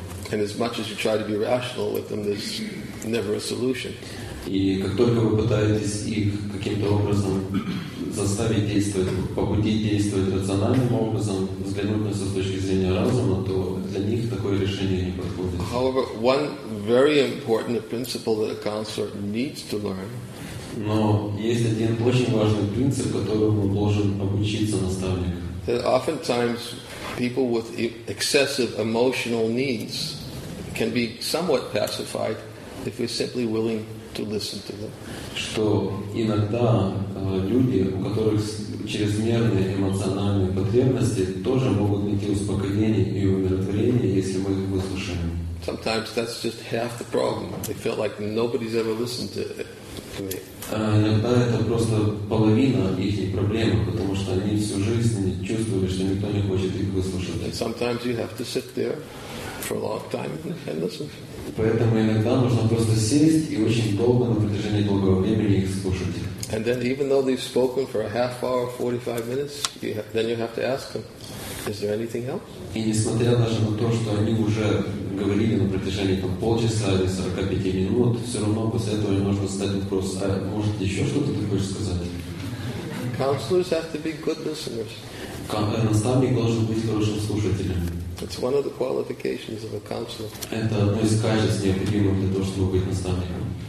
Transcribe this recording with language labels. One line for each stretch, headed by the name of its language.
English: And as much as you try to be rational with them, there's never a solution.
Russian: И как только вы пытаетесь их каким-то образом заставить действовать, побудить действовать рациональным образом, взглянуть на это с точки зрения разума, то для них такое решение не подходит.
English: However, one very important principle that a counselor needs to learn.
Russian: Но есть один очень важный принцип, которому должен обучиться наставник.
English: That oftentimes people with excessive emotional needs can be somewhat pacified if we're simply willing to listen to them.
Russian: Что иногда люди, у которых чрезмерные эмоциональные потребности, тоже могут найти успокоение и умиротворение, если мы их выслушаем.
English: Sometimes that's just half the problem. They feel like nobody's ever listened to it.
Russian: Иногда это просто половина их проблемы, потому что они всю жизнь чувствовали, что никто не хочет их выслушать.
English: And sometimes you have to sit there for a long time and listen.
Russian: Поэтому иногда нужно просто сесть и очень долго, на протяжении долгого времени их слушать.
English: And then even though they've spoken for a half hour, 45 minutes, then you have to ask them, is there anything else?
Russian: И несмотря даже на то, что они уже говорили на протяжении там, полчаса или 45 минут, все равно после этого можно задать вопрос, а может еще что-то ты хочешь сказать?
English: Counselors have to be good listeners.
Russian: Наставник должен быть хорошим слушателем.
English: It's one of the qualifications of a counselor.
Russian: Это одно из качеств, необходимых для того, чтобы быть наставником.